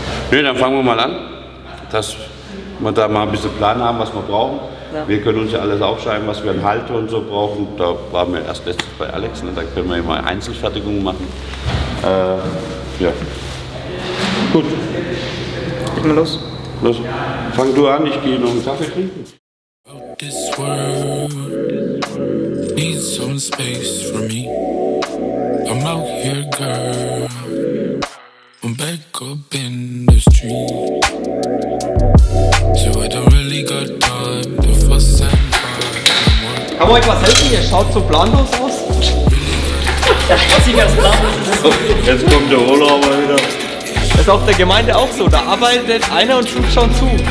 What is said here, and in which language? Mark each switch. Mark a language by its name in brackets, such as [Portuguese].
[German] Nee, dann fangen wir mal an, dass wir da mal ein bisschen Plan haben, was wir brauchen. Ja. Wir können uns ja alles aufschreiben, was wir an Halter und so brauchen. Da waren wir erst letztens bei Alex, ne? Da können wir ja mal Einzelfertigungen machen. Ja. Gut. Geht mal los. Los, fang du an, ich gehe noch einen Kaffee trinken. [English] About this world, need some space for me. I'm out here, girl, I'm back up in the street. So I don't really got time to fuss and fight. [German] Kann man euch was helfen? Ihr schaut so planlos aus. Ja, ich weiß nicht, wie das planlos ist. Jetzt kommt der Urlauber wieder. Das ist auf der Gemeinde auch so, da arbeitet einer und schaut schon zu.